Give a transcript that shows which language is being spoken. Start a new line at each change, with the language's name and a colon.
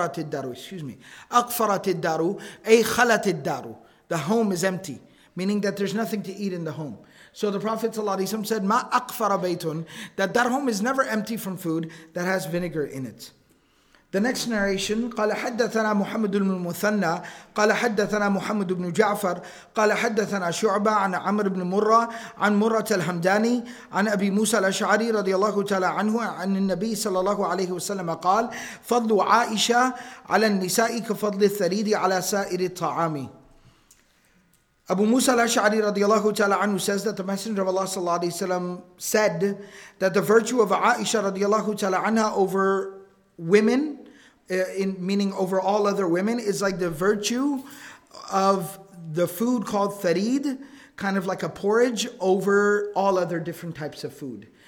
Arabic: Aqfarat id-daru, ay khalat id-daru.
English: The home is empty, meaning that there's nothing to eat in the home. So the Prophet ﷺ said,
Arabic: "Ma aqfara baytun,"
English: that home is never empty from food that has vinegar in it. The next narration,
Arabic: قال حدثنا محمد بن المثنى قال حدثنا محمد بن جعفر قال حدثنا شعبة عن عمرو بن مرة عن مرة الهمداني عن أبي موسى الأشعري رضي الله تعالى عنه عن النبي صلى الله عليه وسلم قال فضل عائشة على النساء كفضل الثريد على سائر الطعام.
English: Abu Musa al-Ash'ari radiallahu ta'ala anhu says that the Messenger of Allah sallallahu alayhi wa sallam said that the virtue of Aisha radiallahu ta'ala anha over women in meaning over all other women, is like the virtue of the food called thareed, kind of like a porridge, over all other different types of food.